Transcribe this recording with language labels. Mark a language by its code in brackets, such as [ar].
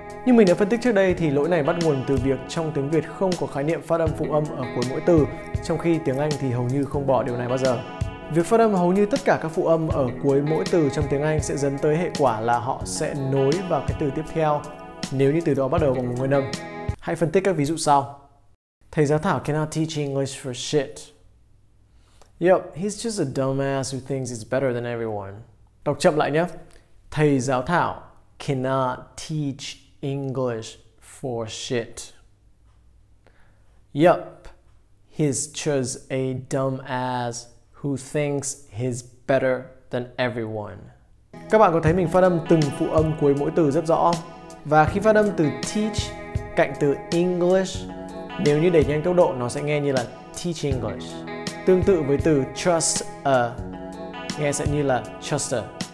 [vi] Như mình đã phân tích trước đây thì lỗi này bắt nguồn từ việc trong tiếng Việt không có khái niệm phát âm phụ âm ở cuối mỗi từ, trong khi tiếng Anh thì hầu như không bỏ điều này bao giờ. Việc phát âm hầu như tất cả các phụ âm ở cuối mỗi từ trong tiếng Anh sẽ dẫn tới hệ quả là họ sẽ nối vào cái từ tiếp theo nếu như từ đó bắt đầu bằng một nguyên âm. Hãy phân tích các ví dụ sau. [en] Thầy giáo Thảo cannot teach English for shit. Yup, he's just a dumbass who thinks he's better than everyone. [vi] Đọc chậm lại nhé. [en] Thầy giáo Thảo cannot teach English for shit. Yup, he's just a dumbass who thinks he's better than everyone. [vi] Các bạn có thấy mình phát âm từng phụ âm cuối mỗi từ rất rõ không? Và khi phát âm từ teach cạnh từ English, nếu như đẩy nhanh tốc độ nó sẽ nghe như là teach English. Tương tự với từ trust a, nghe sẽ như là truster.